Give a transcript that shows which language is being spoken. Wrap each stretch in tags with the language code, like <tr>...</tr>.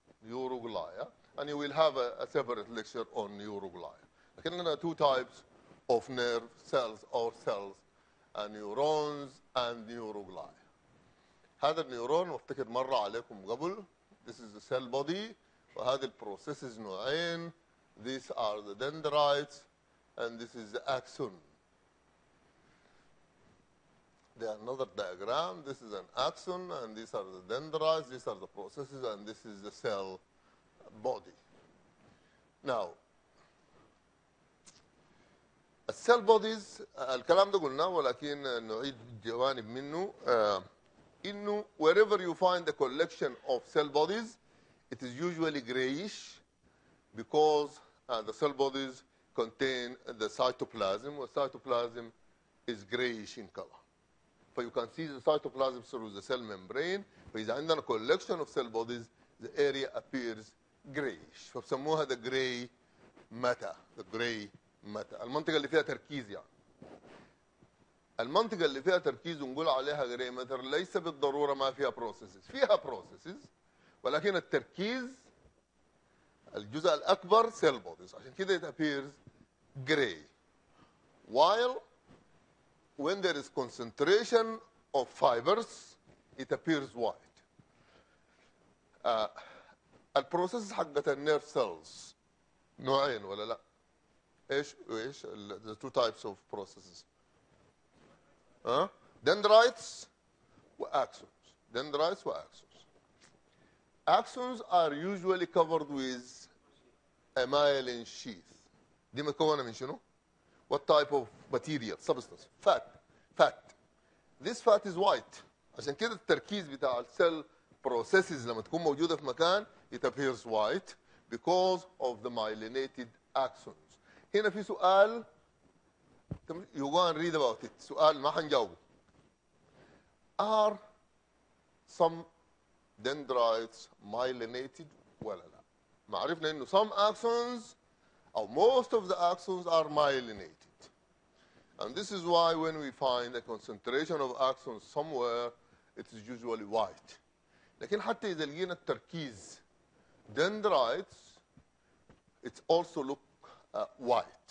<en>Neuroglia and you will have a separate lecture on neuroglia.</en> <ar>لكن هنا</ar> <en>two types of nerve cells or cells and neurons and neuroglia.</en> <ar>هذا النيورون وافتكر مرة عليكم قبل.</ar> <en>This is the cell body.</en> <ar>وهذه البروسيسز نوعين.</ar> <en>These are the dendrites and this is the axon. There is another diagram. This is an axon and these are the dendrites. These are the processes and this is the cell body.</en> <ar>Now السيل بوديز، الكلام ده قلناه ولكن نعيد جوانب منه.</ar> <en>انه wherever you find the collection of cell bodies it is usually grayish because the cell bodies contain the cytoplasm. The cytoplasm is grayish in color. For you can see the cytoplasm through the cell membrane.</en> <ar>فإذا عندنا</ar> <en>collection of cell bodies the area appears grayish.</en> <ar>فبسموها</ar> <en>the gray matter. The gray</en> <ar>المنطقة اللي فيها تركيز يعني. المنطقة اللي فيها تركيز ونقول عليها غري ماتر ليس بالضرورة ما فيها بروسيسز، فيها بروسيسز ولكن التركيز الجزء الأكبر سيل بوديز، عشان كده</ar> <en>it appears gray. While when there is concentration of fibers it appears white.</en> <ar>البروسيسز حقت النيرف سيلز نوعين ولا لا؟ ايش وايش؟</ar> <en>the two types of processes. Dendrites واكسونز. Dendrites واكسونز. Axons are usually covered with a myelin sheath.</en> <ar>دي مكونه من شنو؟</ar> <en>What type of material, substance? Fat. Fat. This fat is white.</en> <ar>عشان كده التركيز بتاع السيل processes لما تكون موجوده في مكان</ar> <en>it appears white because of the myelinated axons.</en> <ar>هنا في سؤال</ar> <en>you want to read about it.</en> <ar>سؤال ما حنجاوبه.</ar> <en>Are some dendrites myelinated</en> <ar>ولا لا؟ ما عرفنا انه</ar> <en>some axons or most of the axons are myelinated. And this is why when we find a concentration of axons somewhere it is usually white.</en> <ar>لكن حتى اذا لقينا التركيز dendrites</ar> <en>it also look white.</en>